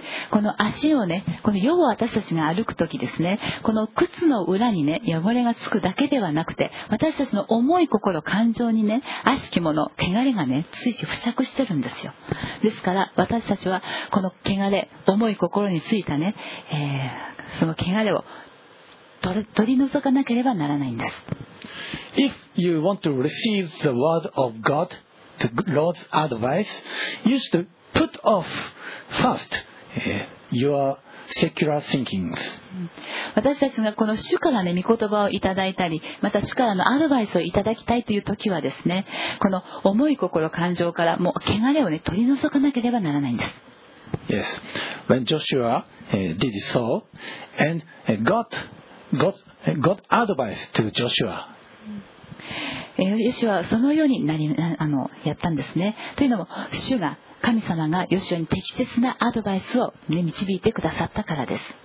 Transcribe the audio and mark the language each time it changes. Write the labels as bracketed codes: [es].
[ja] この足をね、この世を私たちが歩くときですね、この靴の裏にね、汚れがつくだけではなくて、私たちの思い心感情にね、悪しきもの汚れがね、ついて付着してるんですよ。ですから私たちはこの汚れ、思い心についたね、その汚れを取り除かなければならないんです。 [en] If you want to receive the word of God, the Lord's advice, you should put off firstyour secular thinkings. [ja] 私たちがこの主からね、御言葉をいただいたり、また主からのアドバイスをいただきたいという時はですね、この思い心感情からもう汚れをね、取り除かなければならないんです。 [en] Yes. When Joshua did so, and God advised to Joshua. [ja] ヨシュアはそのようになり、やったんですね。というのも、主が神様がヨシュアに適切なアドバイスを、ね、導いてくださったからです。